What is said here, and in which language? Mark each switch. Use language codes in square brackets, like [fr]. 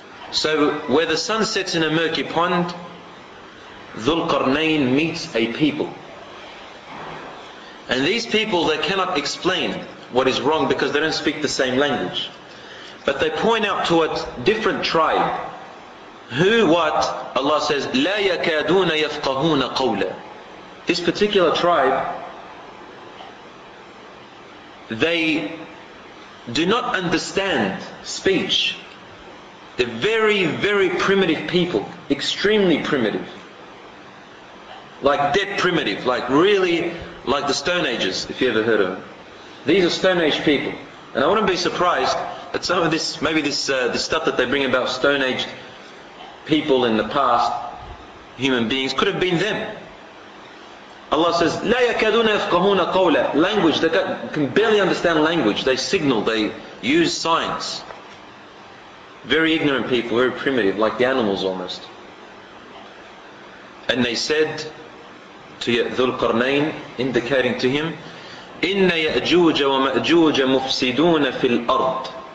[en] So where the sun sets in a murky pond, Dhulqarnain meets a people. And these people, they cannot explain what is wrong because they don't speak the same language. But they point out to a different tribe. Who, what? Allah says, [ar] لَا يَكَادُونَ يَفْقَهُونَ قَوْلًا. [en] This particular tribe, they do not understand speech. They're very, very primitive people. Extremely primitive. Like dead primitive. Like really, like the Stone Ages, if you ever heard of them. These are Stone Age people. And I wouldn't be surprised that some of this, maybe this the stuff that they bring about Stone Age people in the past, human beings, could have been them. Allah says, [ar] لَا يَكَدُونَ يَفْقَهُونَ قَوْلًا. [en] Language, they can barely understand language. They signal, they use signs. Very ignorant people, very primitive, like the animals almost. And they said to Dhulqarnain, indicating to him, [ar] إِنَّ يَأْجُوجَ وَمَأْجُوجَ مُفْسِدُونَ فِي الْأَرْضِ.